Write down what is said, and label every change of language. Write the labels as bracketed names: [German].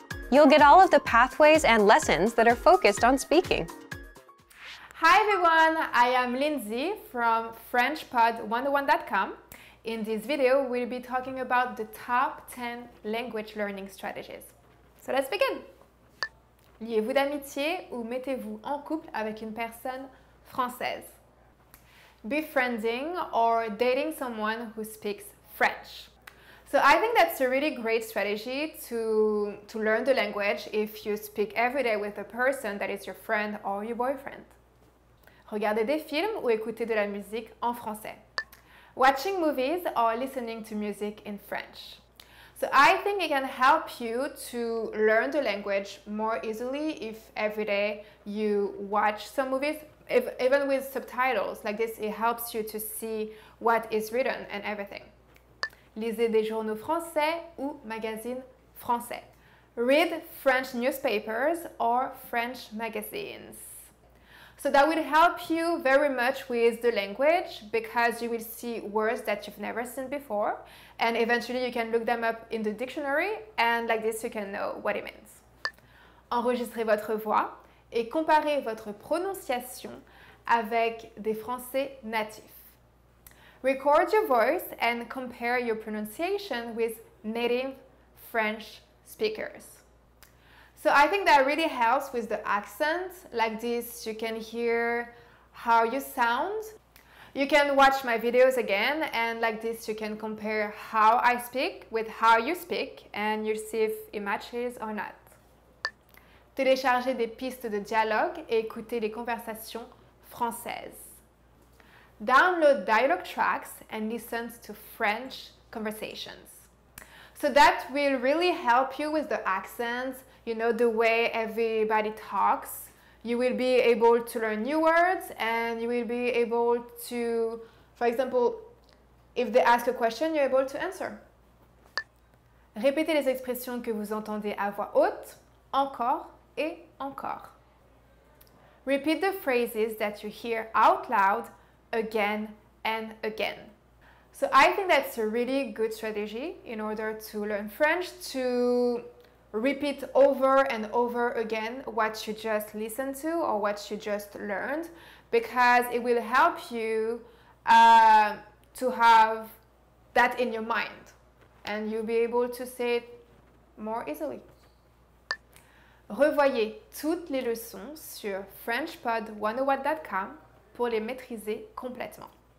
[English] You'll get all of the pathways and lessons that are focused on speaking. Hi everyone, I am Lindsay from FrenchPod101.com. In this video, we'll be talking about the top 10 language learning strategies. So let's begin. [French] Liez-vous d'amitié ou mettez-vous en couple avec une personne française? [English] Befriending or dating someone who speaks French. So I think that's a really great strategy to learn the language if you speak every day with a person that is your friend or your boyfriend. [French] Regardez des films ou écoutez de la musique en français. [English] Watching movies or listening to music in French. So I think it can help you to learn the language more easily if every day you watch some movies. Even with subtitles like this, it helps you to see what is written and everything. [French] Lisez des journaux français ou magazines français. [English] Read French newspapers or French magazines. So that will help you very much with the language because you will see words that you've never seen before. And eventually you can look them up in the dictionary and like this you can know what it means. [French] Enregistrez votre voix. et comparez votre prononciation avec des Français natifs. [English] Record your voice and compare your pronunciation with native French speakers. So I think that really helps with the accent. Like this, you can hear how you sound. You can watch my videos again, and like this, you can compare how I speak with how you speak, and you see if it matches or not. [French] Téléchargez des pistes de dialogue et écoutez les conversations françaises. [English] Download dialogue tracks and listen to French conversations. So that will really help you with the accents, you know, the way everybody talks. You will be able to learn new words and you will be able to, for example, if they ask a question, you're able to answer. [French] Répétez les expressions que vous entendez à voix haute, encore et encore. [English] Repeat the phrases that you hear out loud again and again. So I think that's a really good strategy in order to learn French, to repeat over and over again what you just listened to or what you just learned, because it will help you to have that in your mind and you'll be able to say it more easily. [French] Revoyez toutes les leçons sur frenchpod101.com pour les maîtriser complètement.